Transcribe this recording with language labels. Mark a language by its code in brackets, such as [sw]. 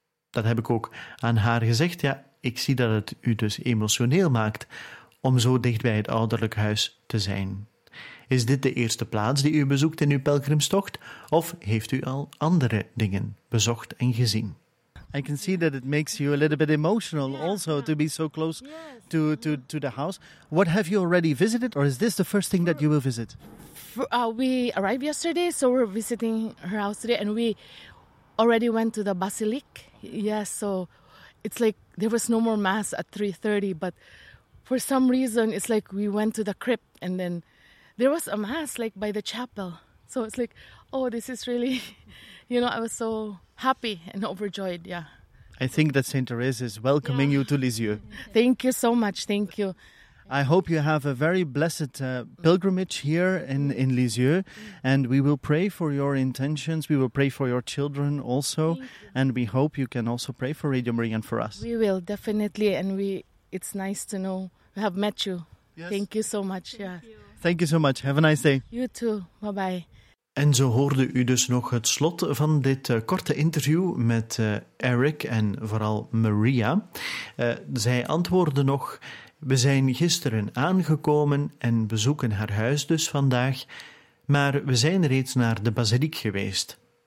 [nl] Dat heb ik ook aan haar gezegd, ja, ik zie dat het u dus emotioneel maakt om zo dicht bij het ouderlijk huis te zijn. Is dit de eerste plaats die u bezoekt in uw pelgrimstocht, of heeft u al andere dingen bezocht en gezien? [en] I can see that it makes you a little bit emotional also to be so close to the house. What have you already visited, or is this the first thing that you will visit? We arrived yesterday, so we're visiting her house today, and we already went to the basilic. Yes, so it's like there was no more mass at 3:30, but for some reason it's like we went to the crypt and then there was a mass like by the chapel. So it's like, oh, this is really, you know, I was so happy and overjoyed, yeah. I think that Saint Therese is welcoming you to Lisieux. Thank you so much, thank you. I hope you have a very blessed pilgrimage here in Lisieux. Mm-hmm. And we will pray for your intentions. We will pray for your children also. And we hope you can also pray for Radio Maria and for us. We will, definitely. And it's nice to know we have met you. Yes. Thank you so much. Thank you. Thank you so much. Have a nice day. You too. Bye-bye. [nl] En zo hoorde u dus nog het slot van dit korte interview met Eric en vooral Maria. Zij antwoordde nog, we zijn gisteren aangekomen en bezoeken haar huis dus vandaag, maar we zijn reeds naar de basiliek geweest.